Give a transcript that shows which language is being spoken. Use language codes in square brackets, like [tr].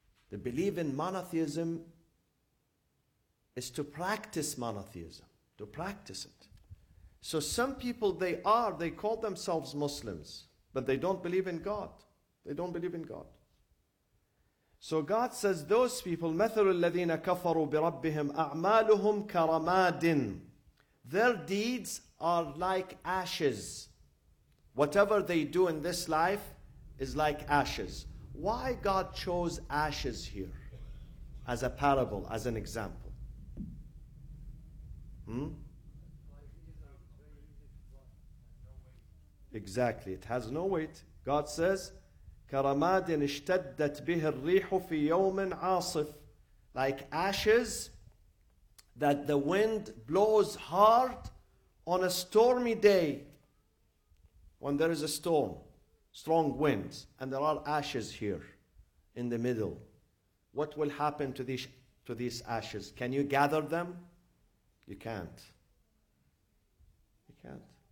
[en] The belief in monotheism is to practice monotheism, to practice it. So some people, they call themselves Muslims, but they don't believe in God. They don't believe in God. So God says, those people, [ar] مَثَلُ الَّذِينَ كَفَرُوا بِرَبِّهِمْ أَعْمَالُهُمْ كَرَمَادٍ. [en] Their deeds are like ashes. Whatever they do in this life is like ashes. Why God chose ashes here as a parable, as an example? Exactly. It has no weight. God says, [ar] كرماد اشتدت به الريح في يوم عاصف. [en] Like ashes that the wind blows hard on a stormy day. When there is a storm, strong winds, and there are ashes here in the middle. What will happen to these ashes? Can you gather them? You can't. You can't.